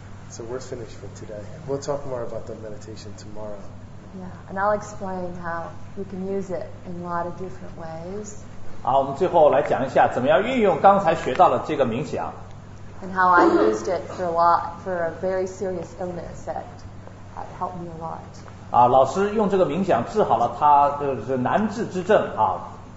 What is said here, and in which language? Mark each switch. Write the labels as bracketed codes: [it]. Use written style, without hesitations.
[en] So we're finished for today. We'll talk more about the meditation tomorrow. Yeah, and I'll explain how you can use it in a lot of different ways. [zh] 好，我们最后来讲一下怎么样运用刚才学到的这个冥想。 [en] And how I used it for a lot, for a very serious illness that helped me a lot. [zh] 啊，老师用这个冥想治好了他就是难治之症啊。